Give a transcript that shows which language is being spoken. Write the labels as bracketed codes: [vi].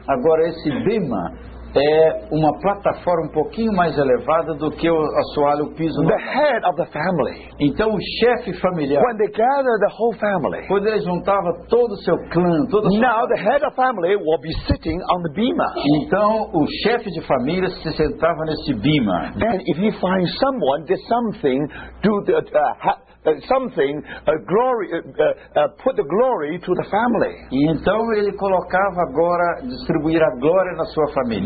[pt] Agora esse bima é uma plataforma um pouquinho mais elevada do que o assoalho, o piso. [en] The head of the family. [pt] Então o chefe familiar. [en] When they gather the whole family. [pt] Quando eles juntava todo o seu clã, toda sua. [en] Now the head of family will be sitting on the bima. [pt] Então o chefe de família se sentava nesse bima. [en] Then if he finds someone, there's something to the. Put the glory to the family. [pt] E então ele colocava agora distribuir a glória na sua família.